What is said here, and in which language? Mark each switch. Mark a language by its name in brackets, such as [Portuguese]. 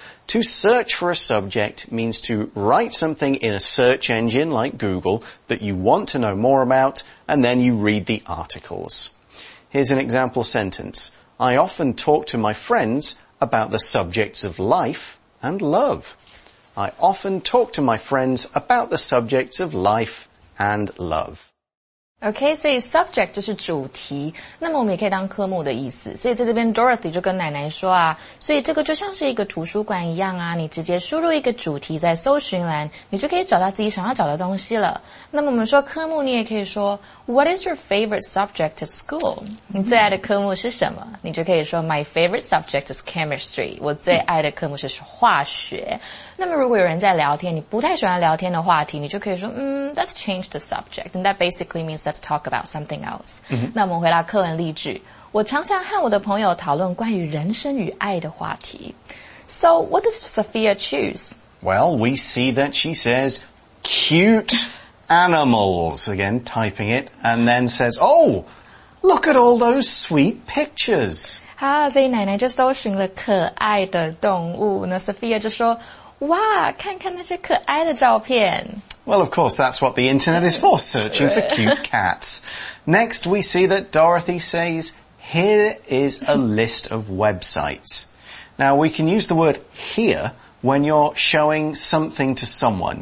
[English] To search for a subject means to write something in a search engine like Google that you want to know more about, and then you read the articles. Here's an example sentence. I often talk to my friends about the subjects of life and love. I often talk to my friends about the subjects of life and love. [Chinese] Okay, 所以 subject 就是主题，那么我们也可以当科目的意思。所以在这边 Dorothy 就跟奶奶说啊，所以这个就像是一个图书馆一样啊，你直接输入一个主题在搜寻栏，你就可以找到自己想要找的东西了。那么我们说科目，你也可以说 [English] What is your favorite subject at school? [Chinese] 你最爱的科目是什么？你就可以说 [English] My favorite subject is chemistry. [Chinese] 我最爱的科目是化学。那么如果有人在聊天，你不太喜欢聊天的话题，你就可以说 [English] let's change the subject. And that basically means let's talk about something else.、 Mm-hmm. [Chinese] 那我们回到课文例句，我常常和我的朋友讨论关于人生与爱的话题。 [English] So what does Sophia choose? Well, we see that she says cute animals. Again, typing it. And then says, oh, look at all those sweet pictures. [Chinese] 好，所以奶奶就搜寻了可爱的动物。那 Sophia 就说哇，看看那些可爱的照片。 [English] Well, of course, that's what the internet is for, searching for cute cats. Next, we see that Dorothy says, here is a list of websites. Now, we can use the word here when you're showing something to someone.